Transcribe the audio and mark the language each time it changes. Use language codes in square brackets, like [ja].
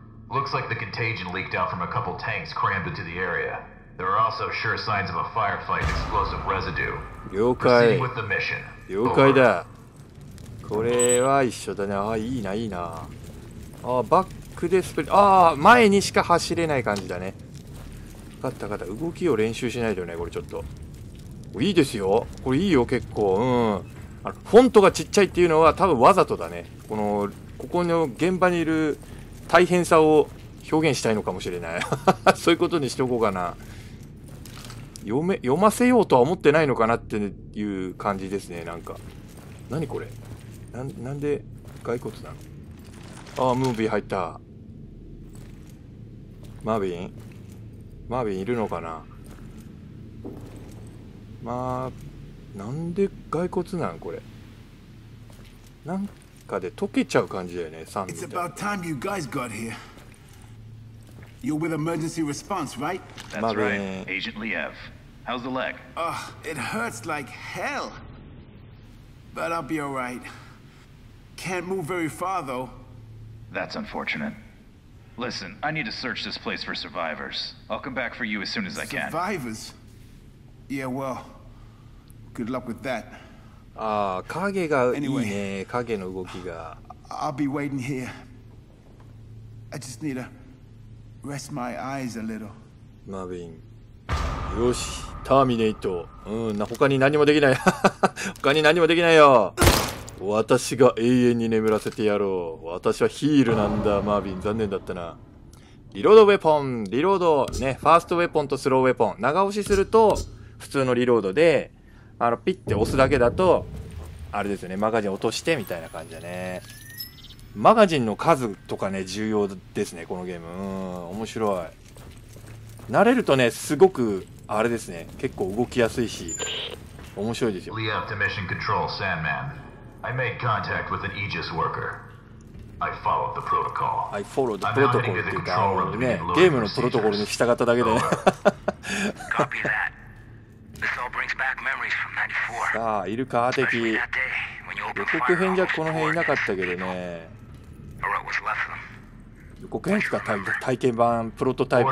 [en] Looks like the contagion leaked out from a couple tanks crammed into the area. There are also sure signs of a firefight explosive residue. [ja] 了解。了解だ。これは一緒だね。あ、いいな、いいな。あ、バックでスプリット。あ、前にしか走れない感じだね。分かった分かった。動きを練習しないとね、これちょっと。いいですよ。これいいよ、結構。うん。あの、フォントがちっちゃいっていうのは多分わざとだね。この、ここの現場にいる大変さを表現したいのかもしれない。そういうことにしておこうかな。読ませようとは思ってないのかなっていう感じですね、なんか。何これ？なんで、骸骨なの？ああ、ムービー入った。マービン？マービンいるのかな？まあ、なんで骸骨なんこれ。なんかで溶けちゃう感じだよね、サンみたい。 [en] It's about time you guys got here. You're with emergency response, right? That's right, Agent Liev. How's the leg? Oh, it hurts like hell. But I'll be alright. Can't move very far though. That's unfortunate. Listen, I need to search this place for survivors. I'll come back for you as soon as I can. Survivors? Yeah, well... Good luck with that. [ja] ああ、影がいいね。影の動きが。 [en] I'll be waiting here. I just need to rest my eyes a little. [ja] マービン。よし、ターミネイト。うん、他に何もできない。他に何もできないよ。私が永遠に眠らせてやろう。私はヒールなんだ、マービン。残念だったな。リロードウェポン、リロード、ね、ファーストウェポンとスローウェポン。長押しすると、普通のリロードで、ピッて押すだけだと、あれですよね、マガジン落としてみたいな感じだね。マガジンの数とかね、重要ですね、このゲーム。面白い。慣れるとね、すごく、あれですね、結構動きやすいし、面白いですよ。 [en] Lead up to mission control, Sandman. I made contact with an Aegis worker. I followed the protocol. I followed the protocol. I'm now heading to the control room. [ja] ゲームのプロトコルに従っただけで。 [en] Copy that. This all brings back memories from 94. [ja] さあ、イルカー的。予告編じゃこの辺いなかったけどね。予告編しか体験版プロトタイプ